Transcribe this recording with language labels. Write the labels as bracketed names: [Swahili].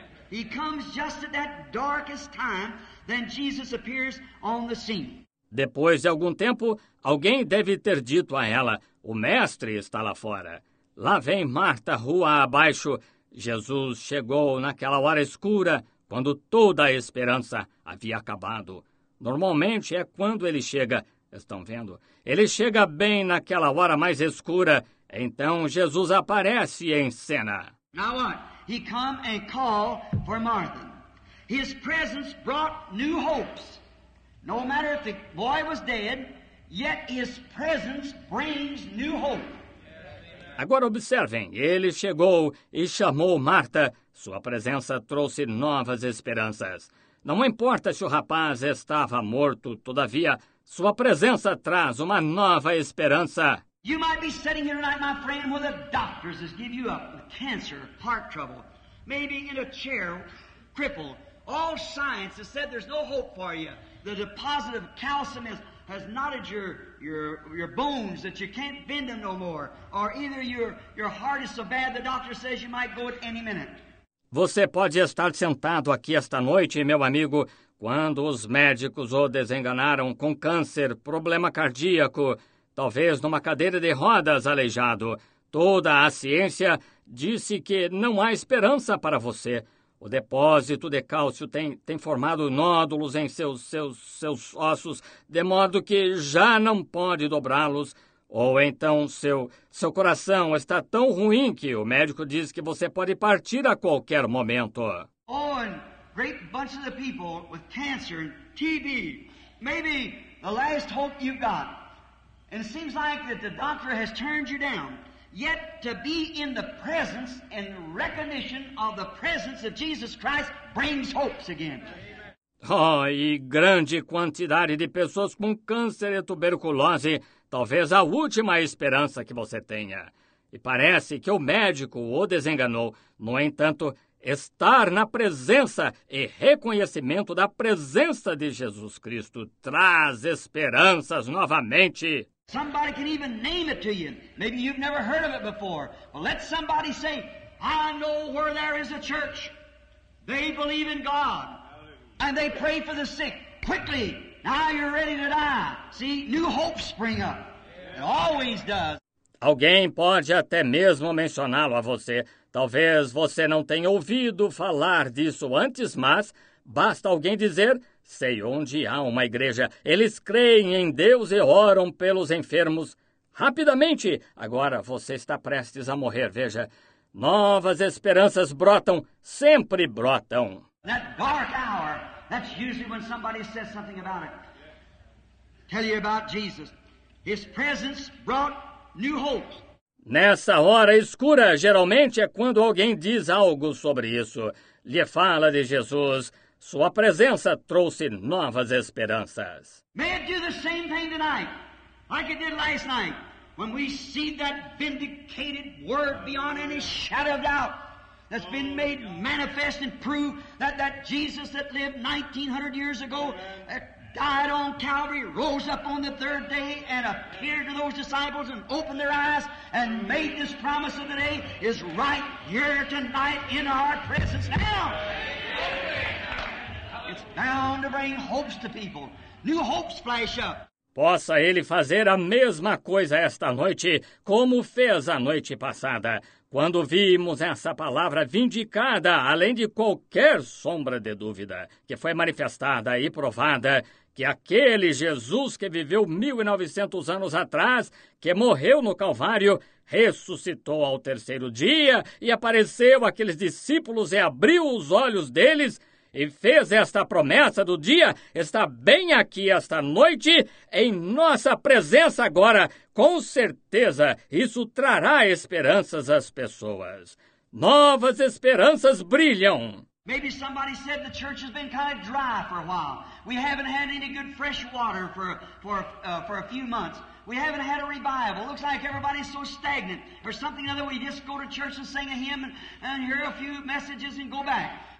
[English] He comes just at that darkest time, then Jesus appears on the scene. [Portuguese] Depois de algum tempo, alguém deve ter dito a ela, o mestre está lá fora. Lá vem Marta, rua abaixo. Jesus chegou naquela hora escura, quando toda a esperança havia acabado. Normalmente é quando ele chega, estão vendo? Ele chega bem naquela hora mais escura. Então Jesus aparece em cena. [English] Now what? He come and called for Martha. His presence brought new hopes. No matter if the boy was dead, yet his presence brings new hope. [Portuguese] Agora observem, ele chegou e chamou Marta. Sua presença trouxe novas esperanças. Não importa se o rapaz estava morto, todavia, sua presença traz uma nova esperança. [English] You might be sitting here tonight, my friend, where the doctors has given you up with cancer, heart trouble, maybe in a chair, crippled. All science has said there's no hope for you. The deposit of calcium has knotted your bones that you can't bend them no more. Or either your heart is so bad the doctor says you might go at any minute. [Portuguese] Você pode estar sentado aqui esta noite, meu amigo, quando os médicos o desenganaram com câncer, problema cardíaco. Talvez numa cadeira de rodas, aleijado. Toda a ciência disse que não há esperança para você. O depósito de cálcio tem formado nódulos em seus ossos, de modo que já não pode dobrá-los. Ou então seu coração está tão ruim que o médico diz que você pode partir a qualquer momento. [English] Oh, and great bunch of the people with cancer and TB, maybe the last hope you've got. And it seems like that the doctor has turned you down. Yet to be in the presence and recognition of the presence of Jesus Christ brings hopes again. [Portuguese] Oh, e grande quantidade de pessoas com câncer e tuberculose, talvez a última esperança que você tenha. E parece que o médico o desenganou. No entanto, estar na presença e reconhecimento da presença de Jesus Cristo traz esperanças novamente. [English] Somebody can even name it to you. Maybe you've never heard of it before. Well, let somebody say, I know where there is a church. They believe in God. And they pray for the sick. Quickly, now you're ready to die. See, new hope spring up. It always does. [Portuguese] Alguém pode até mesmo mencioná-lo a você. Talvez você não tenha ouvido falar disso antes, mas basta alguém dizer, sei onde há uma igreja. Eles creem em Deus e oram pelos enfermos. Rapidamente, agora você está prestes a morrer, veja. Novas esperanças brotam, sempre brotam. [English] That dark hour, that's usually when somebody says something about it. Tell you about Jesus. His presence brought new hope. [Portuguese] Nessa hora escura, geralmente é quando alguém diz algo sobre isso. Lhe fala de Jesus. Sua presença trouxe novas esperanças. [English] May it do the same thing tonight, like it did last night, when we see that vindicated word beyond any shadow of doubt that's been made manifest and proved that Jesus that lived 1900 years ago, that died on Calvary, rose up on the third day and appeared to those disciples and opened their eyes and made this promise of the day is right here tonight in our presence now. It's bound to bring hopes to people. New hopes flash up. [Portuguese] Possa ele fazer a mesma coisa esta noite como fez a noite passada, quando vimos essa palavra vindicada, além de qualquer sombra de dúvida, que foi manifestada e provada que aquele Jesus que viveu 1900 anos atrás, que morreu no Calvário, ressuscitou ao terceiro dia e apareceu àqueles discípulos e abriu os olhos deles, e fez esta promessa do dia, está bem aqui esta noite, em nossa presença agora. Com certeza, isso trará esperanças às pessoas. Novas esperanças brilham. [English] Maybe somebody said the church has been kind of dry for a while. We haven't had any good fresh water for a few months. We haven't had a revival. It looks like everybody's so stagnant. Or something other, we just go to church and sing a hymn and hear a few messages and go back.